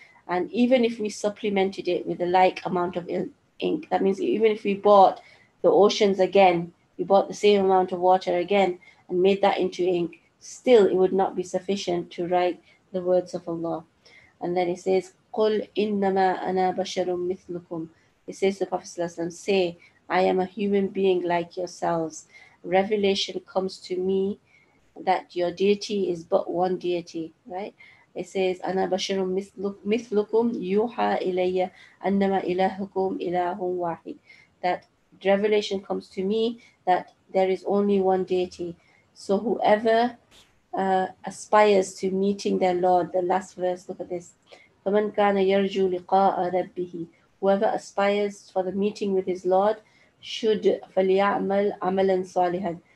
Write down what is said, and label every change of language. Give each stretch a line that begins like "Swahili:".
English: And even if we supplemented it with a like amount of ink, that means even if we bought the oceans again, you bought the same amount of water again and made that into ink, still it would not be sufficient to write the words of Allah. And then it says,
Arabic: قل إنما أنا بشر مثلكم.
English: It says the Prophet Sallallahu Alaihi Wasallam, say, I am a human being like yourselves. Revelation comes to me that your deity is but one deity, right? It says,
Arabic: أَنَا بَشَرٌ مِثْلُكُمْ يُوحَى إِلَيَّ أَنَّمَا إِلَهُكُمْ إِلَهٌ وَاحِدٌ.
English: That revelation comes to me that there is only one deity. So whoever aspires to meeting their Lord, the last verse, look at this.
Arabic: فَمَنْ كَانَ يَرْجُو لِقَاءَ رَبِّهِ.
English: Whoever aspires for the meeting with his Lord should
Arabic: فَلْيَعْمَلْ عَمَلًا صَالِحًا.